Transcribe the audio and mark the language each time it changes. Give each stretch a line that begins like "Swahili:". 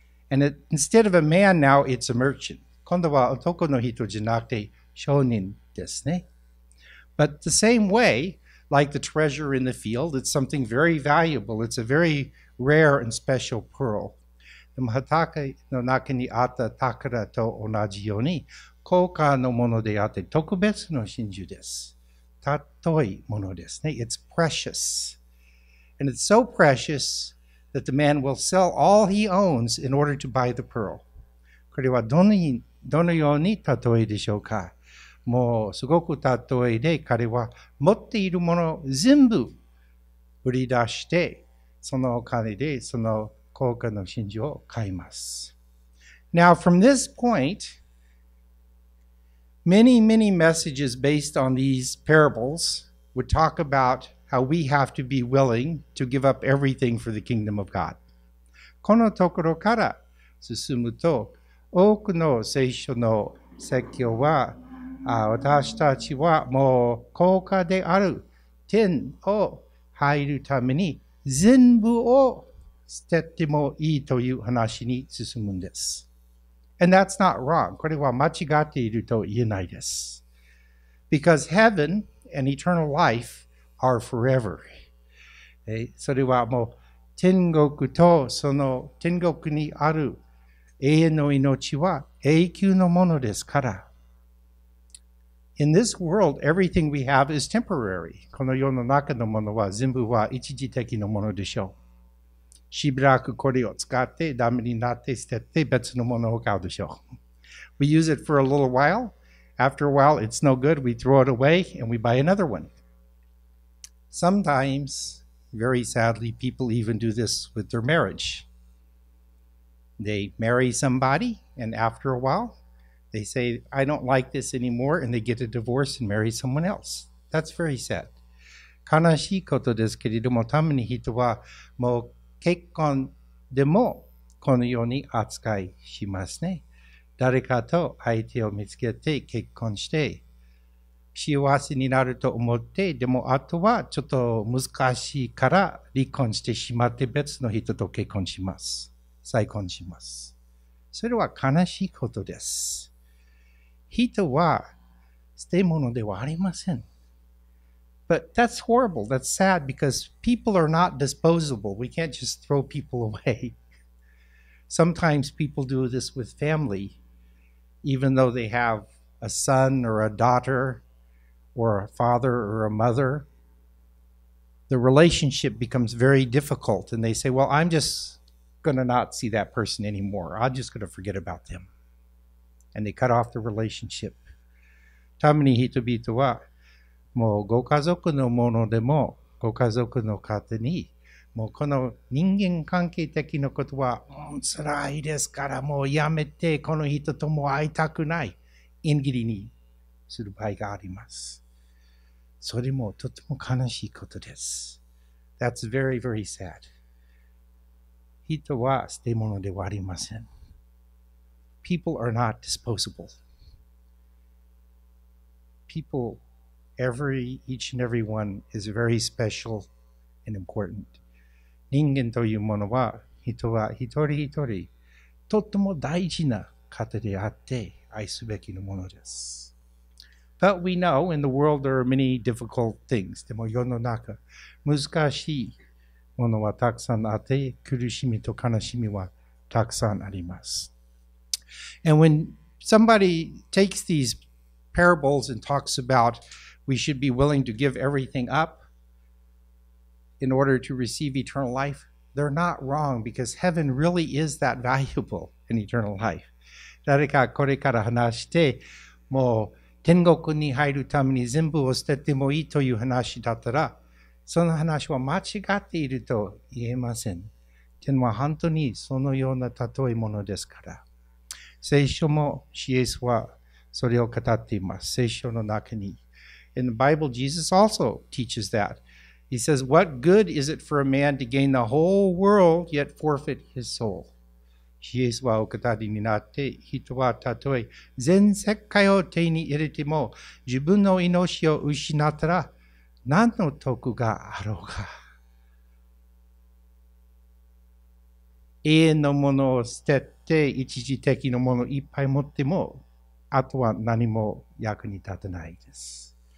English: Instead of a man, now it's a merchant.
Japanese: 今度は男の人じゃなくて商人ですね。
English: But the same way, like the treasure in the field, it's something very valuable. It's a very rare and special pearl.
Japanese: でも畑の中にあった宝と同じように高価のものであって特別の真珠です。尊いものですね。
English: It's precious. And it's so precious that the man will sell all he owns in order to buy the pearl.
Japanese: これはどのように尊いでしょうか。もうすごく尊いで彼は持っているもの全部売り出してそのお金でその高価の真珠を買います。
English: Now, from this point, many, many messages based on these parables would talk about how we have to be willing to give up everything for the kingdom of God.
Japanese: このところから進むと、多くの聖書の説教は、私たちはもう高価である天を入るために全部を捨ててもいいという話に進むんです。
English: And that's not wrong.
Japanese: これは間違っていると言えないです。
English: Because heaven and eternal life are forever.
Japanese: それはもう天国とその天国にある永遠の命は永久のものですから。
English: In this world, everything we have is temporary.
Japanese: この世の中のものは全部は一時的のものでしょう。しばらくこれを使ってダメになって捨てて別のものを買うでしょう。
English: We use it for a little while. After a while, it's no good. We throw it away and we buy another one. Sometimes, very sadly, people even do this with their marriage. They marry somebody and after a while, they say, I don't like this anymore and they get a divorce and marry someone else. That's very sad.
Japanese: 悲しいことですけれども、たまに人はもう結婚でもこのように扱いしますね。誰かと相手を見つけて結婚して幸せになると思って、でもあとはちょっと難しいから離婚してしまって別の人と結婚します。再婚します。それは悲しいことです。人は捨て物ではありません。
English: But that's horrible. That's sad because people are not disposable. We can't just throw people away. Sometimes people do this with family, even though they have a son or a daughter or a father or a mother. The relationship becomes very difficult and they say, well, I'm just going to not see that person anymore. I'm just going to forget about them. And they cut off the relationship.
Japanese: たまに人々はもうご家族のものでもご家族の方にもうこの人間関係的なことは、辛いですからもうやめてこの人とも会いたくない縁切りにする場合があります。それもとても悲しいことです。
English: That's very, very sad.
Japanese: 人は捨て物ではありません。
English: People are not disposable. People, each and every one is very special and important.
Japanese: 人間というものは、人は一人一人、とっても大事な方であって、愛すべきのものです。
English: But we know in the world there are many difficult things.
Japanese: でも世の中、難しいものはたくさんあって、苦しみと悲しみはたくさんあります。
English: And when somebody takes these parables and talks about we should be willing to give everything up in order to receive eternal life, they're not wrong because heaven really is that valuable in eternal life.
Japanese: 誰かこれから話して、もう天国に入るために全部を捨ててもいいという話だったら、その話は間違っていると言えません。天は本当にそのような例えものですから。聖書も、主イエスはそれを語っています。聖書の中に。
English: In the Bible, Jesus also teaches that. He says, what good is it for a man to gain the whole world, yet forfeit his soul?
Japanese: イエスはお語りになって、人はたとえ全世界を手に入れても、自分の命を失ったら、何の得があろうか。永遠のものを捨てて、一時的なものをいっぱい持っても、あとは何も役に立たないです。